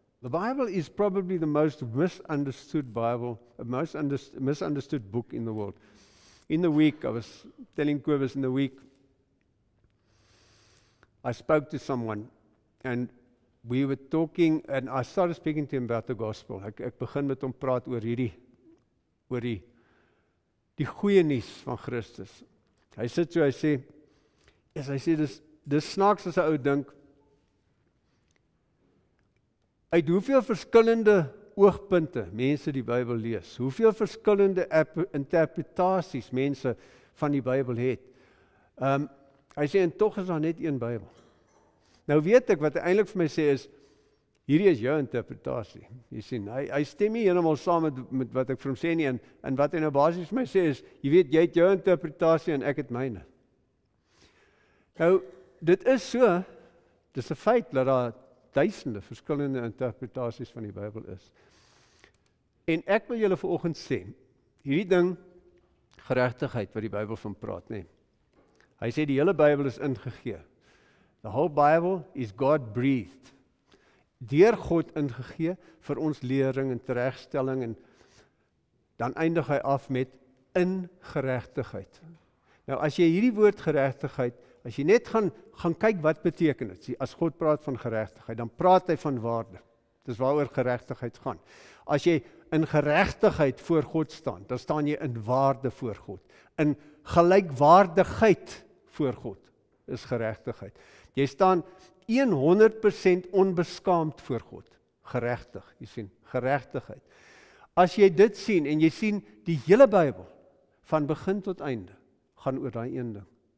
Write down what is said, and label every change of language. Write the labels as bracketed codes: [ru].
[en] The Bible is probably the most misunderstood Bible, the most misunderstood book in the world. In the week, I was telling Kobus, in the week, I spoke to someone, and we were talking, and I started speaking to him about the gospel. [af] Ek begin met hom praat oor die goeie nuus van Christus. Hy sit so, hy sê, dis snaaks as 'n ou dink, uit hoeveel verskillende oogpunte mense die Bybel lees, hoeveel verskillende interpretaties mense van die Bybel het. Hy sê, en toch is daar net een Bybel. Nou weet ek, wat hy eintlik vir my sê is, hierdie is jou interpretatie. Jy sien, hy stem nie helemaal saam met wat ek vir hom sê nie, en wat hy nou basis vir my sê is, jy weet, jy het jou interpretatie en ek het myne. Nou, dit is so, dit is 'n feit dat daar duisende verskillende interpretaties van die Bybel is. En ek wil julle vanoggend sê, hierdie ding, geregtigheid wat die Bybel van praat, nee. Hy sê die hele Bybel is ingegee. [en] The whole Bible is God-breathed. [af] Deur God ingegee vir ons lering en teregstelling en dan eindig hy af met ingeregtigheid. Nou as jy hierdie woord geregtigheid, as jy net gaan kyk wat beteken dit, as God praat van geregtigheid, dan praat hy van waarde. Dis waaroor geregtigheid gaan. As jy in geregtigheid voor God staan, dan staan jy in waarde voor God. In gelykwaardigheid voor God is geregtigheid. Jy staan 100% onbeskaamd voor God. Geregtig, jy sien, geregtigheid. Als jy dit sien, en jy sien die hele Bijbel, van begin tot einde, gaan oor die een ding.